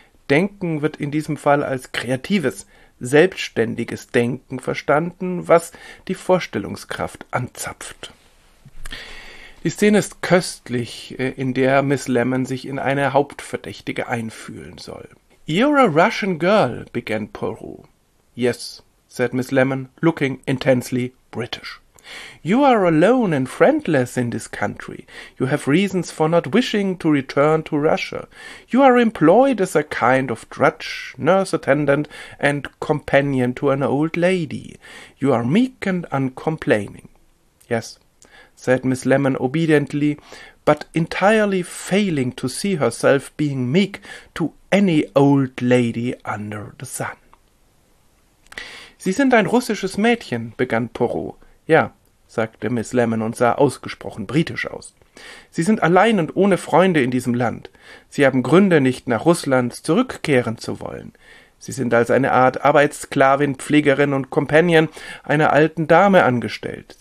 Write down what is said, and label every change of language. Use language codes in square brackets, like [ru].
[de] Denken wird in diesem Fall als kreatives, selbstständiges Denken verstanden, was die Vorstellungskraft anzapft. Die Szene ist köstlich, in der Miss Lemon sich in eine Hauptverdächtige einfühlen soll. [en] "You're a Russian girl," began Poirot. "Yes," said Miss Lemon, looking intensely British. "You are alone and friendless in this country. You have reasons for not wishing to return to Russia. You are employed as a kind of drudge, nurse attendant, and companion to an old lady. You are meek and uncomplaining." "Yes," said Miss Lemon obediently, but entirely failing to see herself being meek to any old lady under the sun. [de] "Sie sind ein russisches Mädchen," begann Poirot. "Ja," sagte Miss Lemon und sah ausgesprochen britisch aus. "Sie sind allein und ohne Freunde in diesem Land. Sie haben Gründe, nicht nach Russland zurückkehren zu wollen. Sie sind als eine Art Arbeitssklavin, Pflegerin und Companion einer alten Dame angestellt.